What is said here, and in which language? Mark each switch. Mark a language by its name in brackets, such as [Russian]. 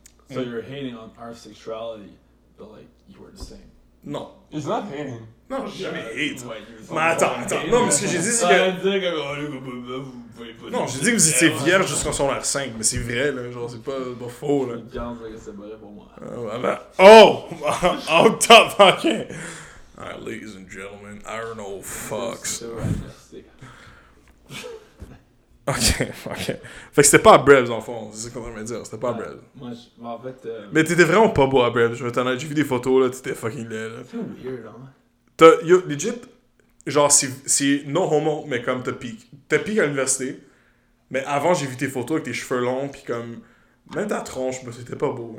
[English] So you're hating on our sexuality, but like, you were the same. [French] Non. [English] It's not hating. [French] Non, jamais hate. Ouais, mais attends. Non, mais ce que j'ai dit, c'est que. Non, j'ai dit que vous étiez vierge jusqu'en son R5, mais c'est vrai, là. Genre, c'est pas faux, là. Je pense que c'est vrai pour moi. [English] Oh! Oh, top fucking! Alright, ladies and gentlemen, I don't know, fucks. Ok. [French] Fait que c'était pas à Brebs, en fond, c'est ce qu'on aimerait dire. C'était pas à Brebs. Moi, en fait. Mais t'étais vraiment pas beau à Brebs, je vais t'en aller. J'ai vu des photos, là, t'étais fucking laid, là. C'est weird, hein. T'as, yo, legit, genre, c'est [English] non homo, [French] mais comme t'as pique. T'as pique à l'université, mais avant, j'ai vu tes photos avec tes cheveux longs, pis comme, même ta tronche, bah, c'était pas beau.